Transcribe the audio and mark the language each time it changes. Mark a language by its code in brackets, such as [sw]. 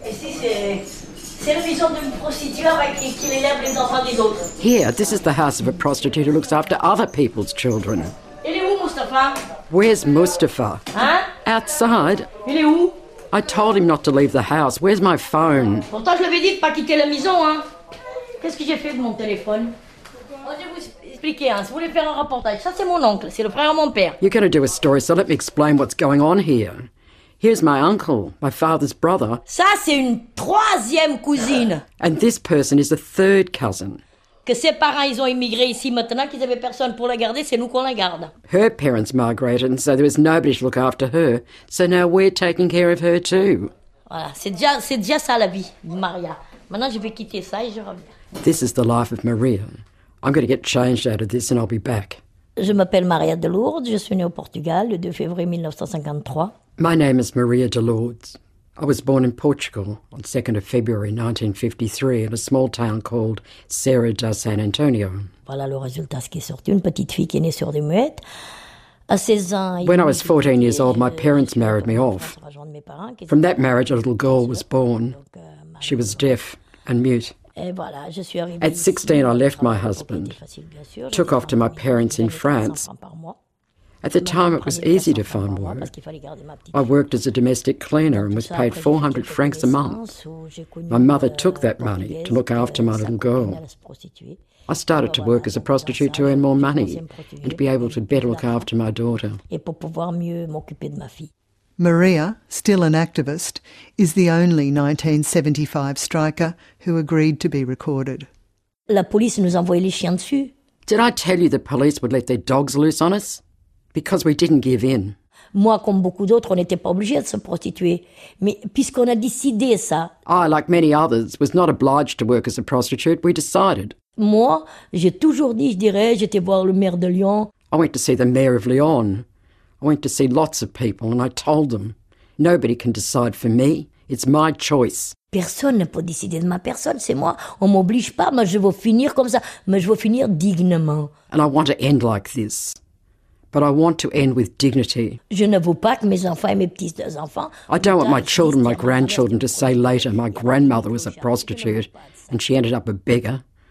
[en] Here, this is the house of a prostitute who looks after other people's children. Where's Mustafa? Outside. I told him not to leave the house. Where's my phone? [fr] Pourtant, je lui ai dit de pas quitter la maison, hein. Qu'est-ce que j'ai fait de mon téléphone? Je vais vous expliquer, hein. Si vous voulez faire un reportage, ça c'est mon oncle, c'est le frère de mon père. [en] You're going to do a story, so let me explain what's going on here. Here's my uncle, my father's brother. [fr] Ça c'est une troisième cousine. [en] And this person is a third cousin. [fr] Que ses parents ils ont immigré ici maintenant qu'ils avaient personne pour la garder, c'est nous qu'on la garde. [en] Her parents migrated, and so there was nobody to look after her. So now we're taking care of her too. [fr] Voilà, c'est déjà ça la vie, Maria. Maintenant je vais quitter ça et je reviens. [en] This is the life of Maria. I'm going to get changed out of this and I'll be back. [fr] Je m'appelle Maria de Lourdes. Je suis née au Portugal le 2 février 1953. [en] My name is Maria de Lourdes. I was born in Portugal on 2nd of February 1953 in a small town called Serra da San Antonio. [fr] Voilà le résultat, ce qui est sorti, une petite fille qui est née sourde et muette. À 16 ans... [en] When I was 14 years old, my parents married me off. From that marriage, a little girl was born. She was deaf and mute. [fr] Et voilà, je suis arrivée. [en] At 16, I left my husband, took off to my parents in France. At the time, it was easy to find work. I worked as a domestic cleaner and was paid 400 francs a month. My mother took that money to look after my little girl. I started to work as a prostitute to earn more money and to be able to better look after my daughter. Maria, still an activist, is the only 1975 striker who agreed to be recorded. [fr] La police nous envoyait les chiens dessus. [en] Did I tell you the police would let their dogs loose on us? Because we didn't give in. [fr] Moi, comme beaucoup d'autres, on n'était pas obligé de se prostituer. Mais puisqu'on a décidé ça... [en] I, like many others, was not obliged to work as a prostitute. We decided. [fr] Moi, j'ai toujours dit, je dirais, j'étais voir le maire de Lyon. [en] I went to see the mayor of Lyon. I went to see lots of people and I told them, nobody can decide for me. It's my choice. [fr] Personne ne peut décider de ma personne, c'est moi. On ne m'oblige pas, mais je veux finir comme ça. Mais je veux finir dignement. [en] And I want to end like this. But I want to end with dignity. [fr] Je ne veux pas que mes enfants et mes petits-enfants... [en] I don't want my children, my grandchildren to say later, my grandmother was a prostitute and she ended up a beggar.